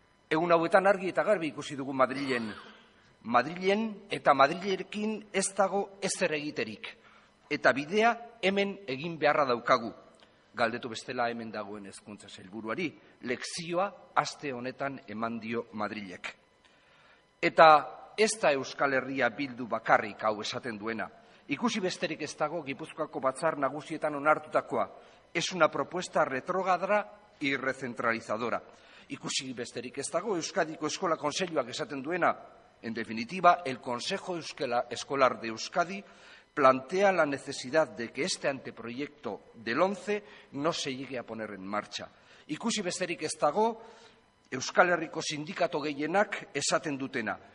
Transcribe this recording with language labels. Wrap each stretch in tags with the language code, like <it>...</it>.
<eu>Egun hauetan argi eta garbi ikusi dugu Madrilen. Madrilen eta Madrilerekin ez dago ezer egiterik, eta bidea hemen egin beharra daukagu. Galdetu bestela hemen dagoen hezkuntza sailburuari, lekzioa aste honetan eman dio Madrilek. Eta ez da Euskal Herria Bildu bakarrik hau esaten duena. Ikusi besterik ez dago Gipuzkoako batzar nagusietan onartutakoa.</eu> <es>Es una propuesta retrógrada y recentralizadora.</es> <eu>Ikusi besterik ez dago Euskadiko Eskola Kontseiluak esaten duena.</eu> <es>En definitiva, el Consejo Escolar de Euskadi plantea la necesidad de que este anteproyecto del 11 no se llegue a poner en marcha.</es> <eu>Ikusi besterik ez dago Euskal Herriko sindikato gehienak esaten dutena.</eu>